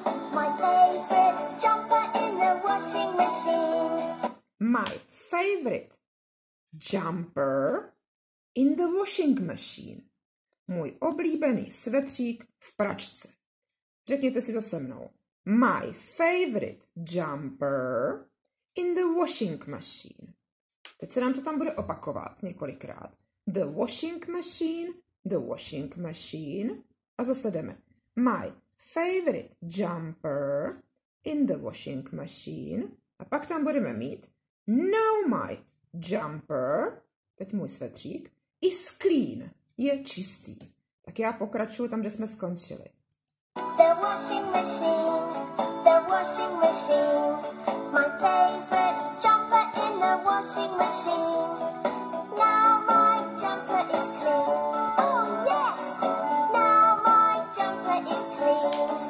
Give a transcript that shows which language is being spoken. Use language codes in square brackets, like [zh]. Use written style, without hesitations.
[en] My favorite jumper in the washing machine. My favorite jumper in the washing machine. [cs] Můj oblíbený svetřík v pračce. Řekněte si to se mnou. [en] My favorite jumper in the washing machine. [cs] Teď se nám to tam bude opakovat několikrát. [en] The washing machine, the washing machine. [cs] A zase jdeme. [en] My favorite jumper in the washing machine. [cs] A pak tam budeme mít. [en] Now my jumper, [cs] teď můj svetřík, [en] is clean, [cs] je čistý. Tak já pokračuju tam, kde jsme skončili. [en] The washing machine, the washing machine. My favorite jumper in the washing machine. Now my jumper is clean. Oh yes, now my jumper is clean.